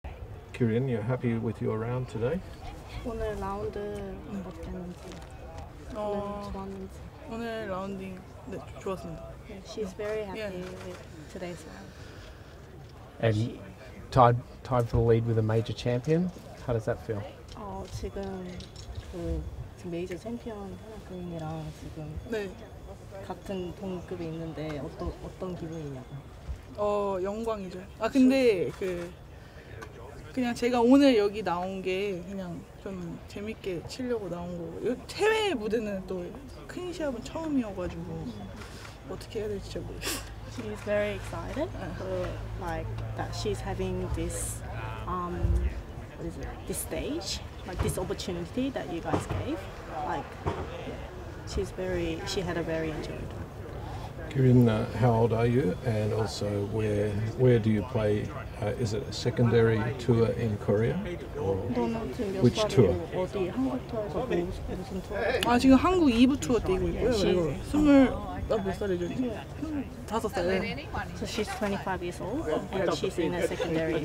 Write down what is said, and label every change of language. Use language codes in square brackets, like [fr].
[en] Gyu Rin, you're happy with your round today? [ko] 오늘 라운드 어땠는지 좋았는지. 오늘 라운딩 네 좋았습니다. [en] She's very happy with today's round. And tied for the lead with a major champion. How does that feel? [ko] 지금 그 메이저 챔피언 하나님이랑 지금 네 같은 동급에 있는데 어떤 기분이냐고. 영광이죠. 아 근데 그 그냥 제가 오늘 여기 나온 게 그냥 좀 재밌게 치려고 나온 거. 해외 무대는 또 큰 시합은 처음이어가지고 어떻게 해야 될지 잘 모르겠어요. [en] She's very excited like that she's having this what is it? This stage, like this opportunity that you guys gave. Like yeah, she had a very enjoyable time. Kirin, how old are you? And also, where do you play? Is it a secondary tour in Korea, or which tour? [ko] 어디 한국 투어에서 무슨 투어? 아 지금 한국 2부 투어 때이고 있고요. 스물 나 몇 살이죠? 다섯 살. [en] So she's 25 years old, and she's in a secondary